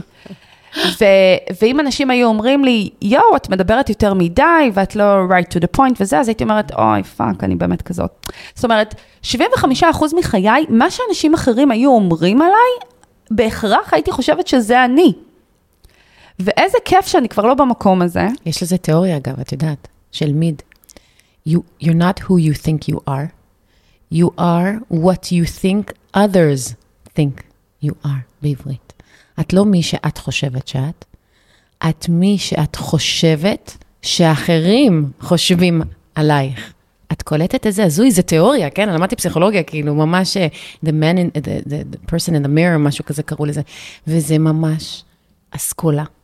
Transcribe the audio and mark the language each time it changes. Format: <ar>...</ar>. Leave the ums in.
<he>ו-, ו- ואם אנשים היו אומרים לי, יואו, את מדברת יותר מדי, ואת לא</he> <en>right to the point</en> <he>וזה, אז הייתי אומרת, אוי, פאק, אני באמת כזאת. זאת אומרת, 75% מחיי, מה שאנשים אחרים היו אומרים עליי, בהכרח הייתי חושבת שזה אני. ואיזה כיף שאני כבר לא במקום הזה. יש לזה תיאוריה, אגב, את יודעת, של מיד.</he> <en>You, you're not who you think you are, you are what you think others think you are, בעברית.</en> <he>את לא מי שאת חושבת שאת, את מי שאת חושבת שאחרים חושבים עלייך. את קולטת איזה הזוי, זה תיאוריה, כן? אני למדתי פסיכולוגיה, כאילו, ממש,</he> <en>the man in, the, the, the person in the mirror,</en> <he>משהו כזה קראו לזה, וזה ממש אסכולה.</he>